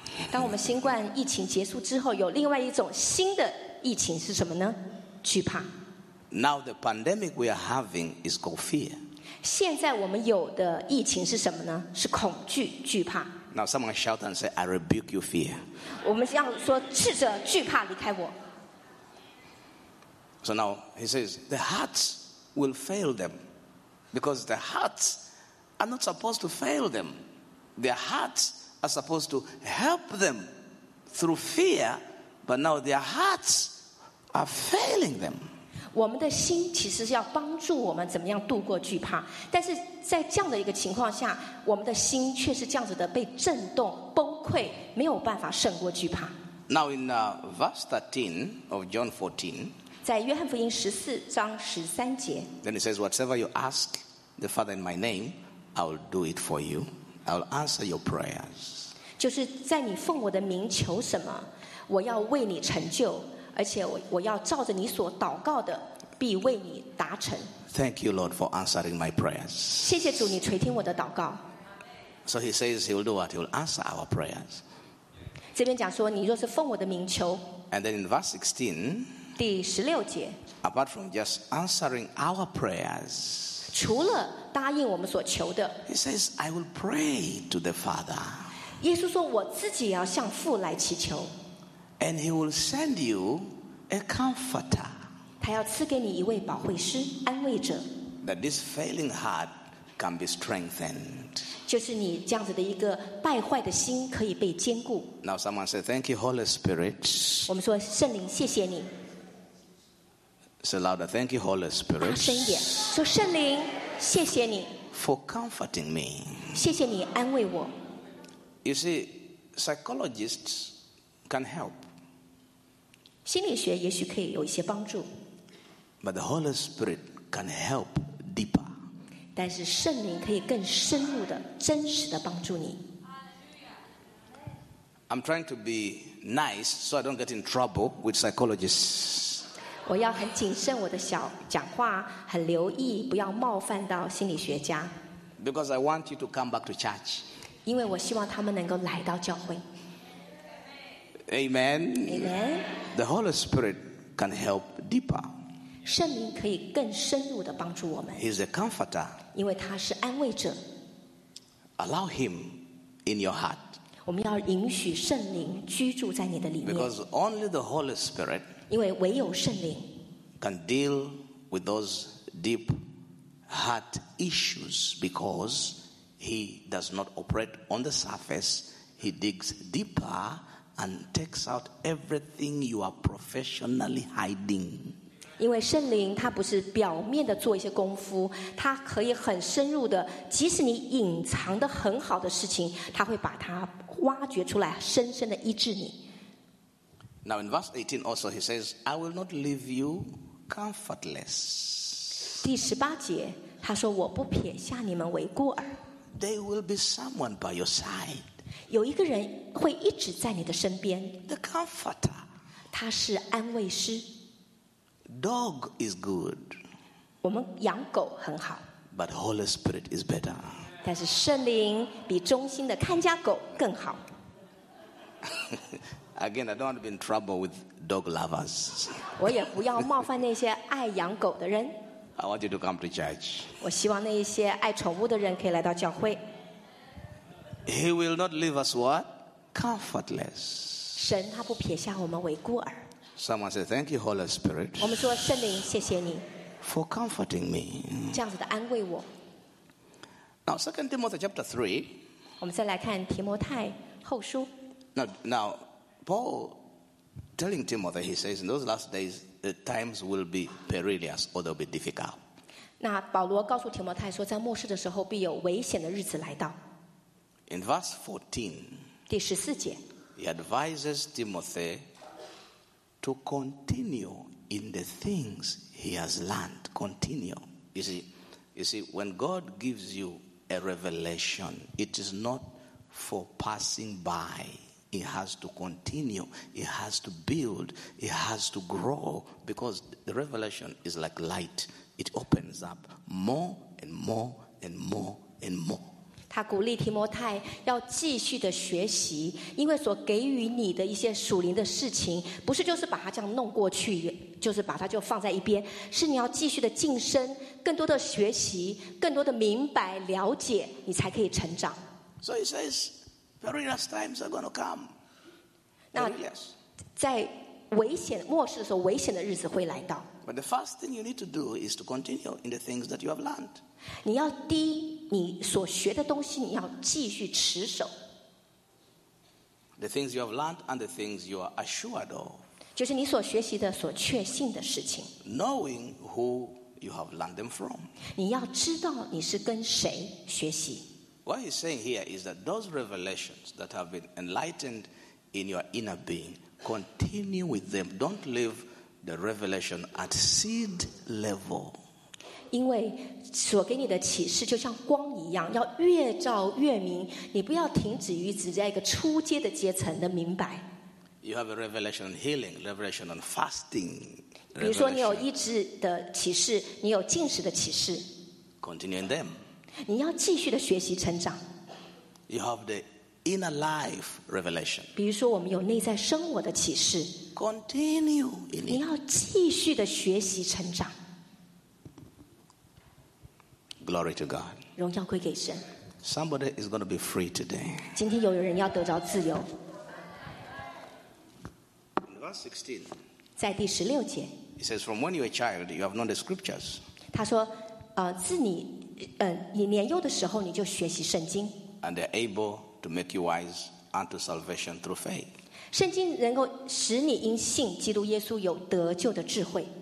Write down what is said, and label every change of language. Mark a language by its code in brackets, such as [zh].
[zh] 当我们新冠疫情结束之后，有另外一种新的疫情是什么呢？惧怕。 [en] Now the pandemic we are having is called fear. [zh] 现在我们有的疫情是什么呢？是恐惧、惧怕。 [en] Now someone shout and say, "I rebuke you, fear." [zh] 我们要说斥责惧怕离开我。 [en] So now he says the hearts will fail them because the hearts are not supposed to fail them. Their hearts. Are supposed to help them through fear, but now their hearts are failing them. [zh] 我们的心其实是要帮助我们怎么样度过惧怕，但是在这样的一个情况下，我们的心却是这样子的被震动、崩溃，没有办法胜过惧怕。 [en] Now in verse 13 of John 14, [zh] 在约翰福音十四章十三节 [en] ，Then it says, "Whatever you ask the Father in my name, I will do it for you." I'll answer your prayers. [zh] 就是在你奉我的名求什么，我要为你成就，而且我要照着你所祷告的，必为你达成。 [en] Thank you, Lord, for answering my prayers. [zh] 谢谢主，你垂听我的祷告。 [en] So he says he will do what? He will answer our prayers. [zh] 这边讲说，你若是奉我的名求。 [en] And then in verse 16. [zh] 第十六节。 [en] Apart from just answering our prayers. [zh] 除了答应我们所求的 [en] He says, "I will pray to the Father." [zh] 耶稣说我自己要向父来祈求 [en] And he will send you a comforter. [zh] 他要赐给你一位保惠师安慰者 [en] That this failing heart can be strengthened. [zh] 就是你这样子的一个败坏的心可以被坚固 [en] Now someone said, "Thank you, Holy Spirit." [zh] 我们说圣灵谢谢你 [en] Say louder, "Thank you, Holy Spirit." [zh] 大声一点，说圣灵，谢谢你。 [en] For comforting me. [zh] 谢谢你安慰我。 [en] You see, psychologists can help. [zh] 心理学也许可以有一些帮助。 [en] But the Holy Spirit can help deeper. [zh] 但是圣灵可以更深入的、真实的帮助你。 [en] I'm trying to be nice so I don't get in trouble with psychologists. [zh] 我要很谨慎我的小讲话，很留意，不要冒犯到心理学家。 [en] Because I want you to come back to church. [zh] 因为我希望他们能够来到教会。 [en] Amen. Amen. The Holy Spirit can help deeper. [zh] 圣灵可以更深入地帮助我们。 [en] He's a comforter. [zh] 因为他是安慰者。 [en] Allow him in your heart. [zh] 我们要允许圣灵居住在你的里面。 [en] Because only the Holy Spirit. [zh] 因为唯有圣灵。 [en] Can deal with those deep heart issues because he does not operate on the surface. He digs deeper. And takes out everything you are professionally hiding. [zh] 因为圣灵他不是表面的做一些功夫，他可以很深入的，即使你隐藏的很好的事情，他会把它挖掘出来，深深的医治你。 [en] Now in verse 18 also he says, "I will not leave you comfortless." [zh] 第十八节他说，我不撇下你们为孤儿。 [en] There will be someone by your side. [zh] 有一个人会一直在你的身边。 [en] The comforter, [zh] 他是安慰师。 [en] Dog is good. [zh] 我们养狗很好。 [en] But Holy Spirit is better. [zh] 但是圣灵比忠心的看家狗更好。 [en] Again, I don't want to be in trouble with dog lovers. [zh] 我也不要冒犯那些爱养狗的人。 [en] I want you to come to church. [zh] 我希望那些爱宠物的人可以来到教会。 [en] He will not leave us what? Comfortless. [zh] 神他不撇下我们为孤儿。 [en] Someone said, "Thank you, Holy Spirit." [zh] 我们说圣灵，谢谢你。 [en] For comforting me. [zh] 这样子的安慰我。 [en] Now, 2 Timothy chapter 3. [zh] 我们再来看提摩太后书。 [en] Now, Paul telling Timothy, he says, in those last days, the times will be perilous or they'll be difficult. [zh] 那保罗告诉提摩太说，在末世的时候必有危险的日子来到。 [en] In verse 14, [zh] 第十四节, [en] he advises Timothy to continue in the things he has learned. Continue. You see, when God gives you a revelation, it is not for passing by. It has to continue. It has to build. It has to grow. Because the revelation is like light. It opens up more and more and more and more. [zh] 他鼓励提摩太要继续的学习，因为所给予你的一些属灵的事情，不是就是把它这样弄过去，就是把它就放在一边，是你要继续的晋升，更多的学习，更多的明白了解，你才可以成长。 [en] So he says, perilous times are going to come. [zh] 那在危险末世的时候，危险的日子会来到。 [en] But the first thing you need to do is to continue in the things that you have learned. [zh] 你要第一，你所学的东西，你要继续持守。 [en] The things you have learned and the things you are assured of. [zh] 就是你所学习的、所确信的事情。 [en] Knowing who you have learned them from. [zh] 你要知道你是跟谁学习。 [en] What he's saying here is that those revelations that have been enlightened in your inner being, continue with them. Don't leave the revelation at seed level. [zh] 因为所给你的启示就像光一样，要越照越明。你不要停止于只在一个初阶的阶层的明白。 [en] You have a revelation on healing, revelation on fasting. [zh] 比如说，你有医治的启示，你有禁食的启示。 [en] Continuing them. [zh] 你要继续的学习成长。 [en] You have the inner life revelation. [zh] 比如说，我们有内在生活的启示。 [en] Continue in it. [zh] 你要继续的学习成长。 [en] Glory to God. [zh] 荣耀归给神。 [en] Somebody is going to be free today. [zh] 今天有人要得着自由。 [en] In verse 16, [zh] 在第十六节, [en] he says, "From when you were a child, you have known the scriptures." [zh] 他说，自你，你年幼的时候你就学习圣经。 [en] And they are able to make you wise unto salvation through faith. [zh] 圣经能够使你因信基督耶稣有得救的智慧。